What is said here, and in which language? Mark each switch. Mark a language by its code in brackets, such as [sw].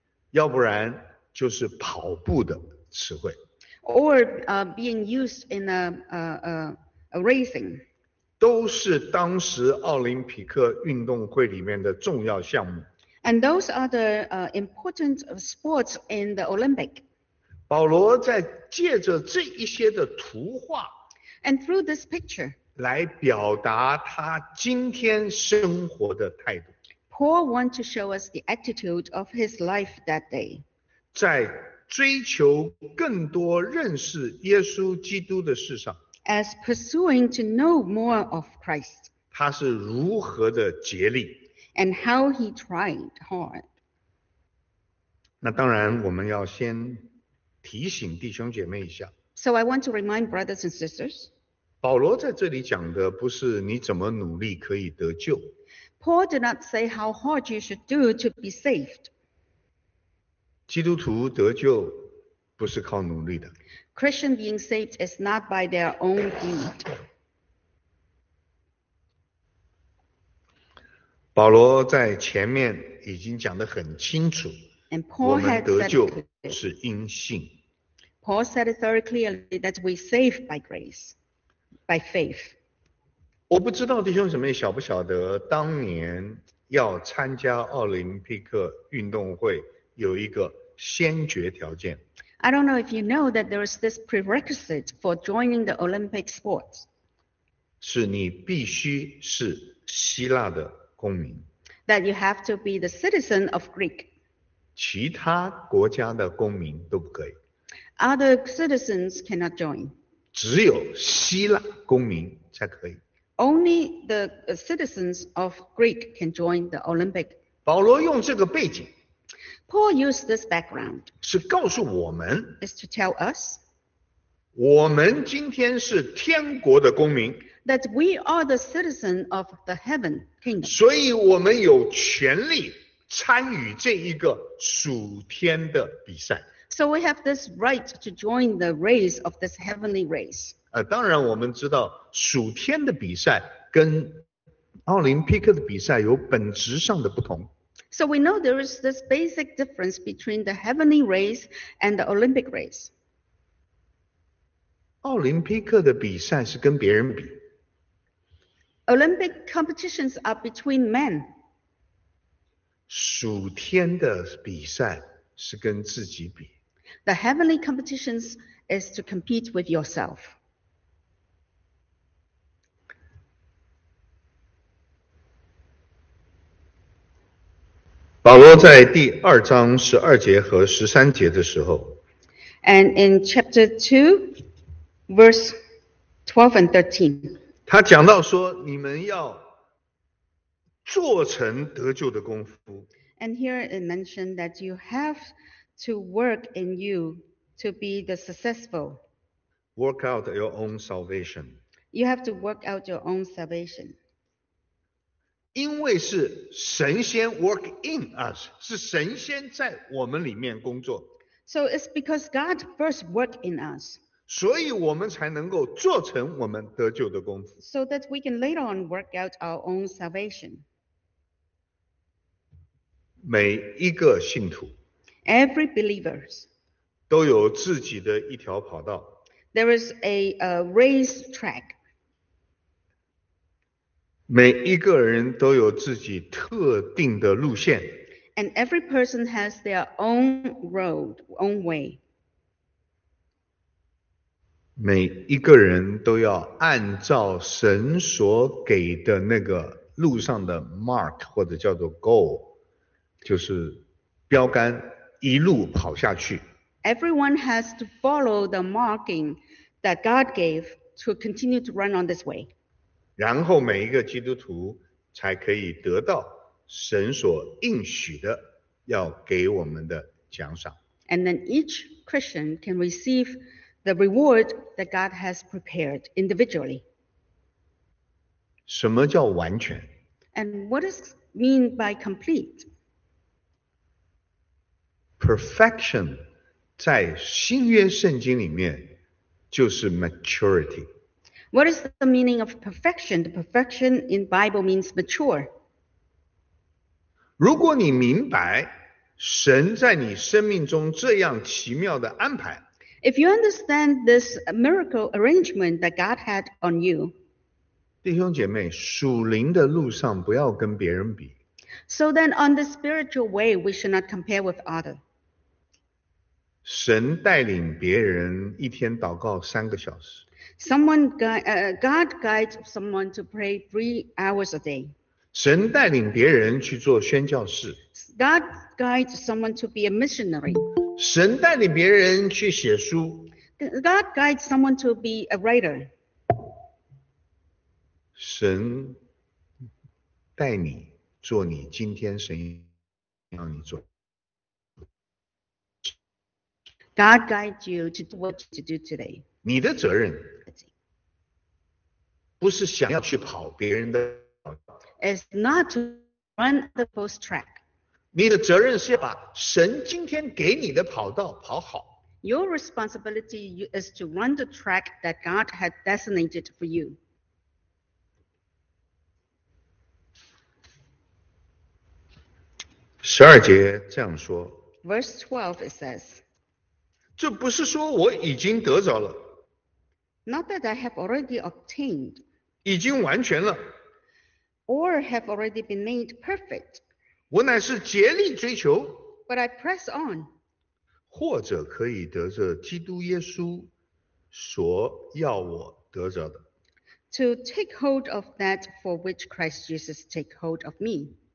[zh] 要不然就是跑步的词汇。 [en] Or being used in a racing. [zh] 都是当时奥林匹克运动会里面的重要项目。 [en] And those are the important sports in the Olympic. [zh] 保罗在借着这一些的图画。 [en] And through this picture. [zh] 来表达他今天生活的态度。 [en] Paul wants to show us the attitude of his life that day. [zh] 在追求更多认识耶稣基督的事上。 [en] As pursuing to know more of Christ. [zh] 他是如何的竭力。 [en] And how he tried hard. [zh] 那当然我们要先提醒弟兄姐妹一下。 [en] So I want to remind brothers and sisters. [zh] 保罗在这里讲的不是你怎么努力可以得救。 [en] Paul did not say how hard you should do to be saved. [zh] 基督徒得救不是靠努力的。 [en] Christian being saved is not by their own deed. [zh] 保罗在前面已经讲得很清楚。 [en] And Paul [zh] 我们得救是因信。 [en] Paul said it very clearly that we save by grace. By faith. [zh] 我不知道弟兄姊妹晓不晓得当年要参加奥林匹克运动会有一个先决条件。 [en] I don't know if you know that there is this prerequisite for joining the Olympic sports. [zh] 是你必须是希腊的公民。 [en] That you have to be the citizen of Greek. [zh] 其他国家的公民都不可以。 [en] Other citizens cannot join. [zh] 只有希腊公民才可以。 [en] Only the citizens of Greek can join the Olympic. [zh] 保罗用这个背景。 [en] Paul used this background. [zh] 是告诉我们。 [en] Is to tell us. [zh] 我们今天是天国的公民。 [en] That we are the citizen of the heaven kingdom. [zh] 所以我们有权利参与这一个属天的比赛。 [en] So we have this right to join the race of this heavenly race. [zh] 当然我们知道属天的比赛跟奥林匹克的比赛有本质上的不同。 [en] So we know there is this basic difference between the heavenly race and the Olympic race. [zh] 奥林匹克的比赛是跟别人比。 [en] Olympic competitions are between men. [zh] 属天的比赛是跟自己比。 [en] The heavenly competitions is to compete with yourself. [zh] 保罗在第二章十二节和十三节的时候。 [en] And in chapter 2, verse 12 and 13. [zh] 他讲到说你们要做成得救的功夫。 [en] And here it mentioned that you have... To work in you to be the successful. Work out your own salvation. You have to work out your own salvation. [zh] 因为是神先 [en] work in us, [zh] 是神先在我们里面工作。 [en] So it's because God first worked in us. [zh] 所以我们才能够做成我们得救的功夫。 [en] So that we can later on work out our own salvation. [zh] 每一个信徒。 [en] Every believers [zh] 都有自己的一条跑道。 [en] There is a race track. [zh] 每一个人都有自己特定的路线。 [en] And every person has their own road, own way. [zh] 每一个人都要按照神所给的那个路上的 mark 或者叫做 goal, 就是标杆。一路跑下去。 [en] Everyone has to follow the marking that God gave to continue to run on this way. [zh] 然后每一个基督徒才可以得到神所应许的要给我们的奖赏。 [en] And then each Christian can receive the reward that God has prepared individually. [zh] 什么叫完全？ [en] And what does mean by complete? [zh] Perfection 在新约圣经里面就是 maturity. [en] What is the meaning of perfection? The perfection in Bible means mature. [zh] 如果你明白神在你生命中这样奇妙的安排， [en] If you understand this miracle arrangement that God had on you, [zh] 弟兄姐妹，属灵的路上不要跟别人比。 [en] So then on the spiritual way, we should not compare with others. [zh] 神带领别人一天祷告三个小时， [en] God guides someone to pray 3 hours a day. [zh] 神带领别人去做宣教士。 [en] God guides someone to be a missionary. [zh] 神带领别人去写书。 [en] God guides someone to be a writer. [zh] 神带你做你今天神要你做。 [en] God guides you to do what to do today. [zh] 你的责任不是想要去跑别人的。 [en] It's not to run the post track. [zh] 你的责任是要把神今天给你的跑道跑好。 [en] Your responsibility is to run the track that God had designated for you. [zh] 十二节这样说。 [en] Verse 12 it says. [zh] 这不是说我已经得着了。 [en] Not that I have already obtained. [zh] 已经完全了。 [en] Or have already been made perfect. [zh] 我乃是竭力追求 [en] But I press on. [zh] 或者可以得着基督耶稣所要我得着的 [en] To take hold of that for which Christ Jesus take hold of me.